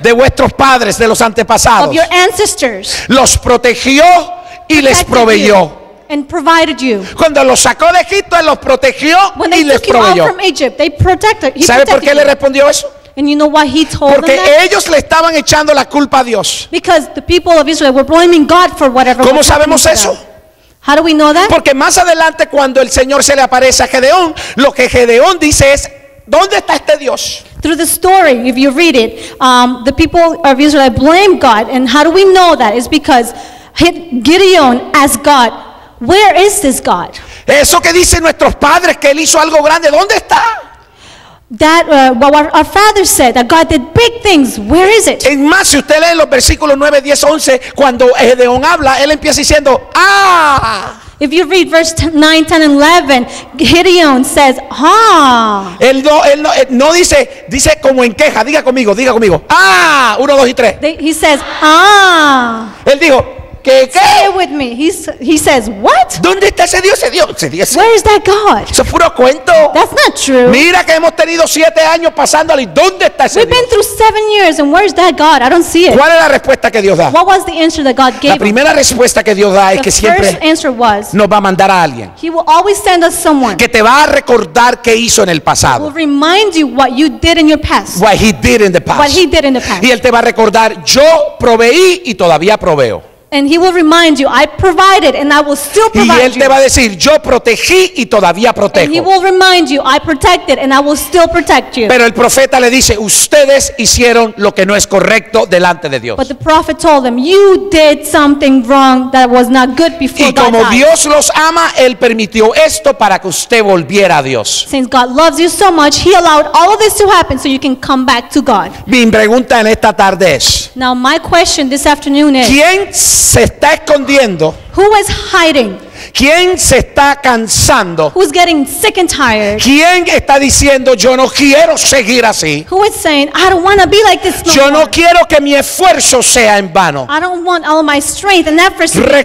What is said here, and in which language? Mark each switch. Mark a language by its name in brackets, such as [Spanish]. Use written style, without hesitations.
[Spanish] De vuestros padres, de los antepasados. [English] Of your ancestors. [Spanish] Los protegió y les proveyó. [English] And provided you. [Spanish] Cuando los sacó de Egipto, él los protegió [English] when [Spanish] y les proveyó. [English] From Egypt, they protected, he [Spanish] ¿sabe por qué [English] you? [Spanish] Le respondió eso? [English] And you know what he told [Spanish] porque [English] them that? [Spanish] Ellos le estaban echando la culpa a Dios. [English] Because the people of Israel were blaming God for whatever. [Spanish] ¿Cómo sabemos eso? [English] How do we know that? [Spanish] Porque más adelante cuando el Señor se le aparece a Gedeón, lo que Gedeón dice es, ¿dónde está este Dios? [English] Through the story, if you read it, the people of Israel blame God, and how do we know that? It's because Gideon asked God, where is this God? [Spanish] Eso que dicen nuestros padres que él hizo algo grande, ¿dónde está? [English] That what our father said that God did big things. Where is it? [Spanish] En más, si usted lee los versículos 9, 10, 11, cuando Gedeón habla, él empieza diciendo, ah. [English] If you read verse 9, 10, 11, Gideon says, ah. [Spanish] Él no dice como en queja. Diga conmigo. Ah, 1, 2 y 3. [English] He says, ah. [Spanish] Él dijo, ¿qué? [English] Say it with me. He says, what? [Spanish] ¿Dónde está ese Dios? Ese Dios. [English] Where is that God? [Spanish] Eso es puro cuento. [English] That's not true. [Spanish] Mira que hemos tenido 7 años pasándole. ¿Dónde está ese [English] We've [Spanish] Dios? [English] We've been through 7 years and where is that God? I don't see it. [Spanish] ¿Cuál es la respuesta que Dios da? [English] What was the answer that God gave? [Spanish] La primera respuesta que Dios da es que siempre nos va a mandar a alguien. [English] He will always send us someone. Que te va a recordar qué hizo en el pasado. He will remind you what you did in your past. What he did in the past. What he did in the past. [Spanish] Y él te va a recordar, yo proveí y todavía proveo. [English] And he will remind you, I provided and I will still provide you. [Spanish] Y él te va a decir, yo protegí y todavía protejo. [English] And he will remind you, I protected and I will still protect you. [Spanish] Pero el profeta le dice, ustedes hicieron lo que no es correcto delante de Dios. [English] But the prophet told them, you did something wrong that was not good before God. [Spanish] Y como Dios los ama, él permitió esto para que usted volviera a Dios. [English] Since God loves you so much, he allowed all of this to happen so you can come back to God. [Spanish] Mi pregunta en esta tarde es, [English] now my question this afternoon is, [Spanish] ¿quién se está escondiendo? [English] Who is hiding? [Spanish] ¿Quién se está cansando? [English] Who's getting sick and tired? [Spanish] ¿Quién está diciendo yo no quiero seguir así? [English] Who is saying I don't want to be like this no [Spanish] yo [English] more. [Spanish] No quiero que mi esfuerzo sea en vano. [English] I don't want all my strength and efforts to be vain.